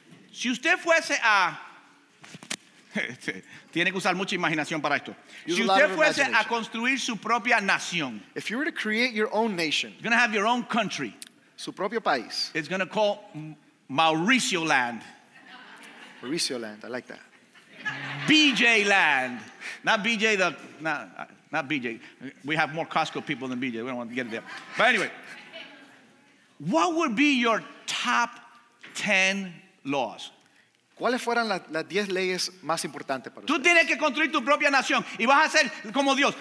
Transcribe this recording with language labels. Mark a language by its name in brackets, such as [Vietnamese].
[Spanish] Si usted fuese a tiene que usar mucha imaginación para esto. [English] Use [Spanish] si usted fuese a construir su propia nación, [English] if you were to create your own nation, you're going to have your own country. [Spanish] Su propio país. [English] It's going to call Mauricio Land. Mauricio Land, I like that. BJ Land. Not BJ. We have more Costco people than BJ. We don't want to get it there. But anyway, what would be your top 10 laws? [Spanish] ¿Cuáles fueran las 10 leyes más importantes para ustedes? Tú tienes que construir tu propia nación y vas a ser como Dios.